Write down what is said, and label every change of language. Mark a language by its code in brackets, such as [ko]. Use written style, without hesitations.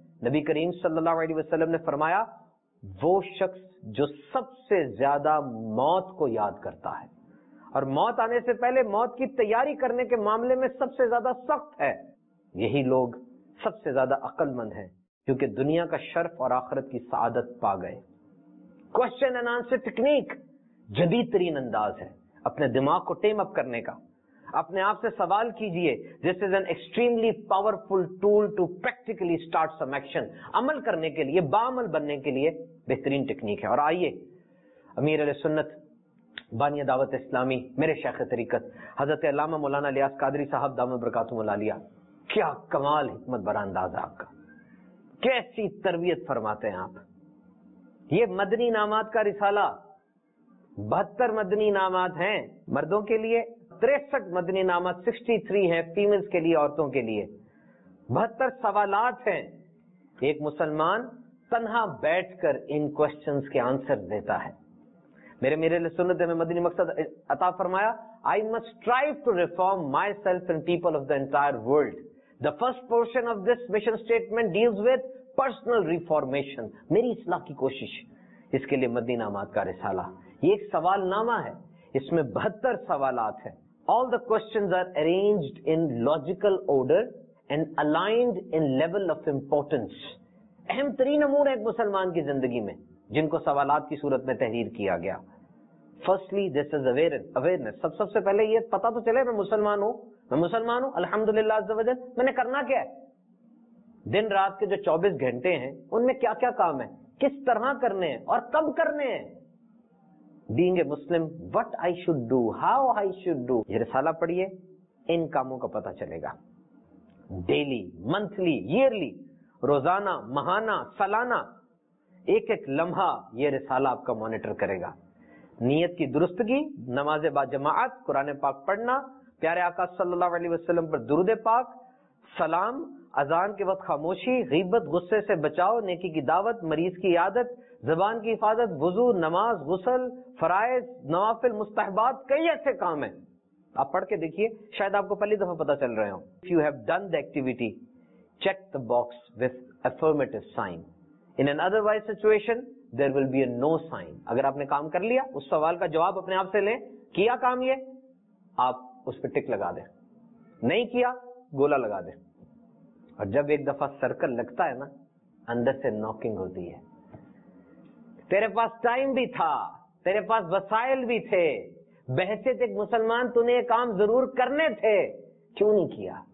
[ur] نبی کریم صلی اللہ علیہ وسلم نے فرمایا, وہ شخص جو سب سے زیادہ موت کو یاد کرتا ہے اور موت آنے سے پہلے موت کی تیاری کرنے کے معاملے میں سب سے زیادہ سخت ہے, یہی لوگ سب سے زیادہ عقل مند ہیں, کیونکہ دنیا کا شرف اور آخرت کی سعادت پا گئے. کوشچن اینڈ آنسر ٹیکنیک جدید ترین انداز ہے اپنے دماغ کو ٹیم اپ کرنے کا. اپنے آپ سے سوال کیجئے. [en] This is an extremely powerful tool to practically start some action. [ur] عمل کرنے کے لیے, باعمل بننے کے لیے بہترین ٹکنیک ہے. اور آئیے امیر علیہ سنت بانی دعوت اسلامی میرے شیخ طریقت حضرت علامہ مولانا الیاس قادری صاحب دامت برکاتہم العالیہ, کیا کمال حکمت بران انداز آپ کا, کیسی تربیت فرماتے ہیں آپ. یہ مدنی نامات کا رسالہ, 72 مدنی نامات ہیں مردوں کے لیے, 63 مدنی نامات 63 ہیں فیمیلز کے لیے, عورتوں کے لیے 72 سوالات ہیں. ایک مسلمان تنہا بیٹھ کر ان کوشچنز کے آنسر دیتا ہے. میرے سنت میں مدنی مقصد عطا فرمایا, [en] I must strive to reform my self and people of the entire world. The first portion of this mission statement deals with personal reformation, [ur] میری اصلاح کی کوشش. اس کے لیے مدنی نامات کا رسالہ, یہ ایک سوال نامہ ہے, اس میں 72 سوالات ہیں. [en] All the questions are arranged in logical order and aligned in level of importance. [ur] اہم ترین امور ہیں ایک مسلمان کی زندگی میں جن کو سوالات کی صورت میں تحریر کیا گیا. [en] Firstly, this is awareness. [ur] سب سے پہلے یہ پتا تو چلے میں مسلمان ہوں, الحمدللہ عز و جل, میں نے کرنا کیا ہے. دن رات کے جو 24 گھنٹے ہیں ان میں کیا کیا کام ہیں, کس طرح کرنے ہیں اور کب کرنے ہیں. [en] Being a Muslim, what I should do, how I should do. [ur] یہ رسالہ پڑھیے, ان کاموں کا پتہ چلے گا. [en] Daily, monthly, yearly, [ur] روزانہ, ماہانہ, سالانہ, ایک ایک لمحہ یہ رسالہ آپ کا مانیٹر کرے گا. نیت کی درستگی, نماز با جماعت, قرآن پاک پڑھنا, پیارے آقا صلی اللہ علیہ وسلم پر درود پاک, سلام, اذان کے وقت خاموشی, غیبت غصے سے بچاؤ, نیکی کی دعوت, مریض کی عیادت, زبان کی حفاظت, وضو, نماز, غسل, فرائض, نوافل, مستحبات, کئی ایسے کام ہیں. آپ پڑھ کے دیکھیے, شاید آپ کو پہلی دفعہ پتا چل رہے ہوں. [en] If you have done the activity, check the box with affirmative sign. In an otherwise situation, there will be a no sign. [ur] اگر آپ نے کام کر لیا, اس سوال کا جواب اپنے آپ سے لیں, کیا کام یہ, آپ اس پہ ٹک لگا دیں, نہیں کیا گولا لگا دیں. اور جب ایک دفعہ سرکل لگتا ہے نا, اندر سے ناکنگ ہوتی ہے, تیرے پاس ٹائم بھی تھا, تیرے پاس وسائل بھی تھے, بحثیت ایک مسلمان تنہیں یہ کام ضرور کرنے تھے, کیوں نہیں کیا.